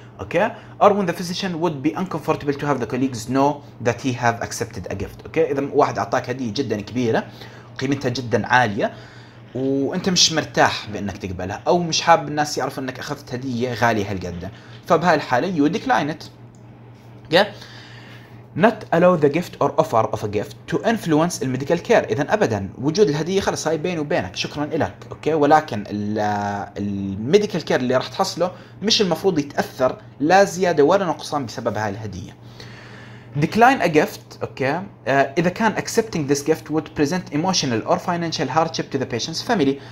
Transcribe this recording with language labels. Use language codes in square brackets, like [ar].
[en] Okay؟ Or when the physician would be uncomfortable to have the colleagues know that he have accepted a gift. [ar] Okay؟ إذا واحد أعطاك هدية جدا كبيرة قيمتها جدا عالية وانت مش مرتاح بانك تقبلها او مش حاب الناس يعرفوا انك اخذت هديه غاليه هالقد، فبهاي الحاله [en] you decline it. Not allow the gift or offer of a gift to influence the medical care. [ar] اذا ابدا وجود الهديه خلص هاي بيني وبينك شكرا لك، اوكي، ولكن الميديكال كير اللي راح تحصله مش المفروض يتاثر لا زياده ولا نقصان بسبب هاي الهديه. [en] Decline a gift, okay, [ar] إذا كان [en] accepting this gift would present emotional or financial hardship to the patient's family.